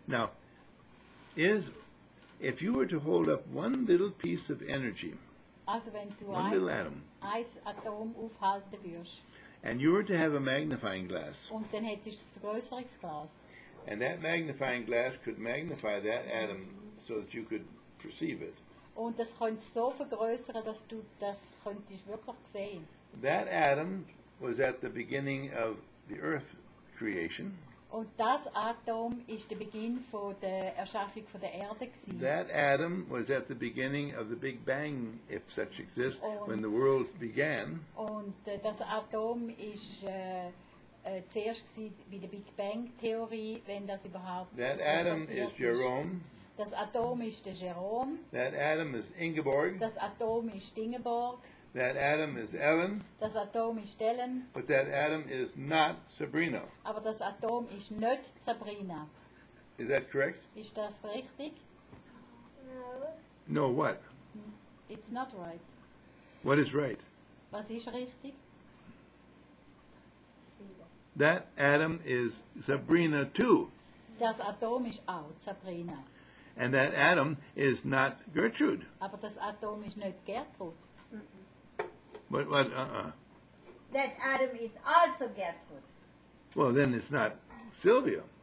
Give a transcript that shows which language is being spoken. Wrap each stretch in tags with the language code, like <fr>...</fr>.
<en>Now, if you were to hold up one little piece of energy,</en> <de>also wenn du</de> <en>one little atom,</en> <de>ein Atom aufhalten würdest,</de> <en>and you were to have a magnifying glass,</en> <de>und dann hättest du ein größeres Glas,</de> <en>and that magnifying glass could magnify that atom so that you could perceive it.</en> <de>Und das könnte so vergrößern, dass du das könntest wirklich sehen.</de> <en>That atom was at the beginning of the earth creation.</en> <de>Und das Atom ist der Beginn von der Erschaffung von der Erde gewesen.</de> <en>That atom was at the beginning of the Big Bang, if such exists, when the world began.</en> <de>Und das Atom ist zuerst gewesen wie der Big Bang Theorie, wenn das überhaupt</de> <en>that so atom is Jerome.</en> <de>Das Atom ist der Jerome.</de> <en>That atom is Ingeborg.</en> <de>Das Atom ist Ingeborg.</de> <en>That atom is Ellen.</en> <de>Das Atom ist Ellen.</de> <en>But that atom is not Sabrina.</en> <de>Aber das Atom ist nicht Sabrina.</de> <en>Is that correct?</en> <de>Ist das richtig?</de> <en>No. No what? It's not right. What is right?</en> <de>Was ist richtig?</de> <en>That atom is Sabrina too.</en> <de>Das Atom ist auch Sabrina.</de> <en>And that atom is not Gertrude.</en> <de>Aber das Atom ist nicht Gertrude.</de> <en>Mm-mm. But what? That atom is also Gertrude. Well, then it's not Sylvia.</en>